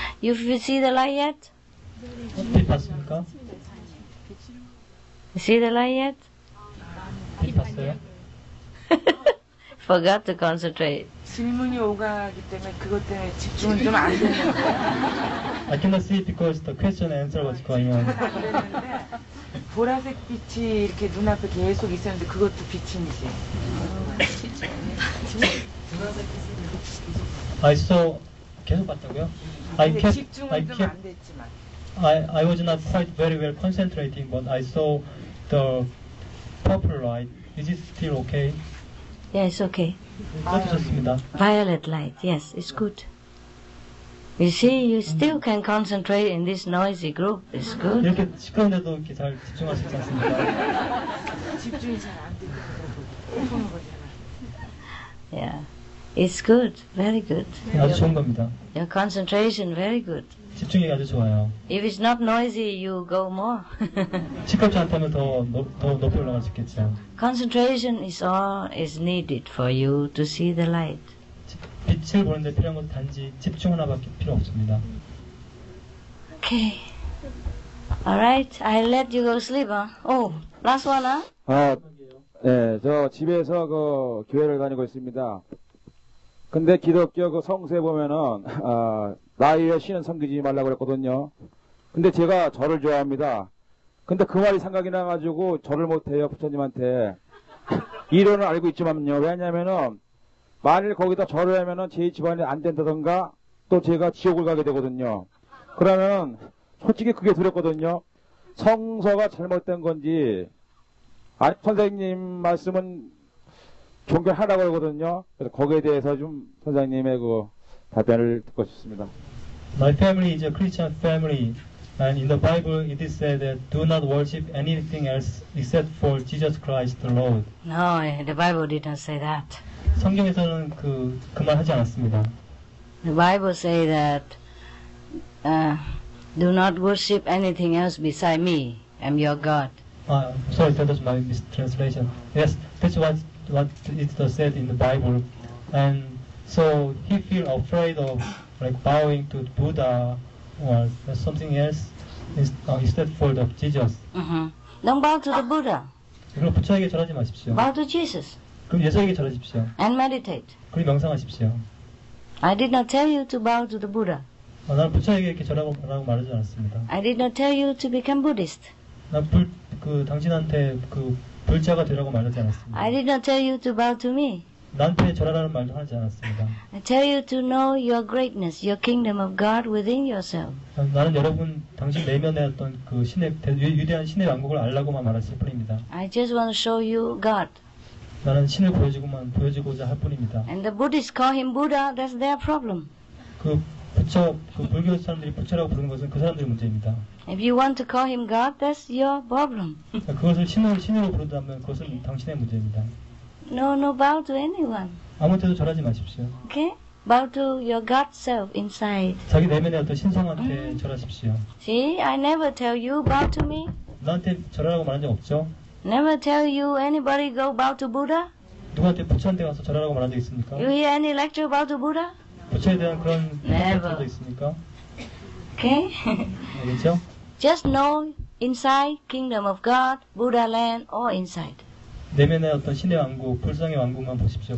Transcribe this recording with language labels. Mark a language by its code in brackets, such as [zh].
[en] You see the light yet? [ko] 빛 봤습니까? [en] You see the light yet? [ko] 빛 봤어요? [en] Forgot to concentrate. [ko] 질문이 오가기 때문에 그것 때문에 집중을 좀 안 돼요. [en] I cannot see because the question and answer was going on. [ko] 보라색 빛이 이렇게 눈앞에 계속 있었는데 그것도 빛인지. [en] I saw [ko] 계속 봤다고요? [en] I kept, [ko] 집중은 좀 안 됐지만. [en] I was not quite very well concentrating, but I saw the purple light. Is it still okay? Yeah, it's okay. [ko] 좋습니다. [en] Violet light, yes, it's good. You see, you still can concentrate in this noisy group. It's good. [ko] 이렇게 시끄러운데도 이렇게 잘 집중할 수 있지 않습니까? 집중이 잘 안 돼. [en] Yeah, It's good, very good. [ko] 네, 아주 좋은 겁니다. [en] Your concentration very good. [ko] 집중이 아주 좋아요. [en] If it's not noisy, you go more. [ko] 시끄럽지 않다면 더 높이 올라가시겠죠. [en] Concentration is all is needed for you to see the light. [ko] 빛을 보는데 필요한 건 단지 집중 하나밖에 필요 없습니다. [en] Okay. All right. I let you go sleep. Huh? Oh, last one. Huh? [ko] 아, 네, 저 집에서 그 교회를 다니고 있습니다. 근데 기독교 그 성서에 보면은 아, 나의 신은 섬기지 말라고 그랬거든요. 근데 제가 절을 좋아합니다. 근데 그 말이 생각이 나가지고 절을 못해요, 부처님한테. 이론은 알고 있지만요. 왜냐면은 만일 거기다 절을 하면은 제 집안이 안 된다던가 또 제가 지옥을 가게 되거든요. 그러면은 솔직히 그게 두렵거든요. 성서가 잘못된 건지 아, 선생님 말씀은 존경하라고 그러거든요. 그래서 거기에 대해서 좀 선생님의 그 답변을 듣고 싶습니다. [en] My family is a Christian family, and in the Bible it is said that do not worship anything else except for Jesus Christ the Lord. No, the Bible didn't say that. [ko] 성경에서는 그 말 하지 않았습니다. [en] The Bible say that do not worship anything else beside me. I'm your God. Sorry, that was my mistranslation. Yes, that's what it said in the Bible. And so he feel afraid of like bowing to Buddha or something else instead for the Jesus. Mm-hmm. Don't bow to the Buddha. [ko] 그럼 부처에게 절하지 마십시오. [en] Bow to Jesus. [ko] 그럼 예수에게 절하십시오. [en] And meditate. [ko] 그리고 명상하십시오. [en] I did not tell you to bow to the Buddha. [ko] 나는 부처에게 이렇게 절하고 말하지 않았습니다. [en] I did not tell you to become Buddhist. [ko] 당신한테 그 불자가 되라고 말하지 않았습니다. [en] I did not tell you to bow to me. [ko] 나한테 절하라는 말도 하지 않았습니다. [en] I tell you to know your greatness, your kingdom of God within yourself. [ko] 나는 여러분 당신 내면에 어떤 그 신의 위대한 신의 왕국을 알라고만 말했을 뿐입니다. [en] I just want to show you God. [ko] 나는 신을 보여주고자 할 뿐입니다. [en] And the Buddhists call him Buddha. That's their problem. [ko] 그 불교 사람들이 부처라고 부르는 것은 그 사람들의 문제입니다. [en] If you want to call him God, that's your problem. [ko] 그것을 신으로 부른다면 그것은 당신의 문제입니다. [en] No, bow to anyone. [ko] 아무한테도 절하지 마십시오. [en] Okay? Bow to your God self inside. [ko] 자기 내면의 어떤 신성한테 절하십시오. [en] See, I never tell you bow to me. [ko] 나한테 절하라고 말한 적 없죠? [en] Never tell you anybody go bow to Buddha. [ko] 누구한테 부처한테 가서 절하라고 말한 적 있습니까? [en] You hear any lecture bow to Buddha? [ko] 부처에 대한 그런 말도 있습니까? [en] Okay. [ko] 그렇죠? [en] Just know inside kingdom of God, Buddha land, all inside. [ko] 내면의 어떤 신의 왕국, 불성의 왕국만 보십시오.